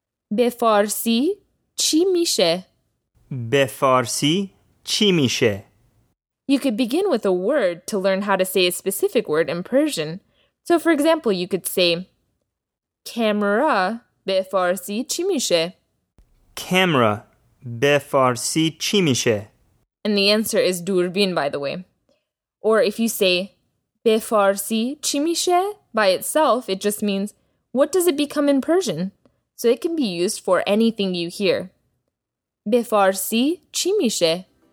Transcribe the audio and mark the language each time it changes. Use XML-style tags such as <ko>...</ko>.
<fa>به فارسی چی میشه? به فارسی چی میشه?</fa> <en>You could begin with a word to learn how to say a specific word in Persian. So, for example, you could say, camera</en> <fa>به فارسی چی میشه? Camera به فارسی چی میشه?</fa> <en>And the answer is دوربین, by the way. Or if you say,</en> <fa>به فارسی چی میشه?</fa> <en>By itself, it just means, what does it become in Persian? So it can be used for anything you hear.</en> <fa>به فارسی چی میشه؟</fa>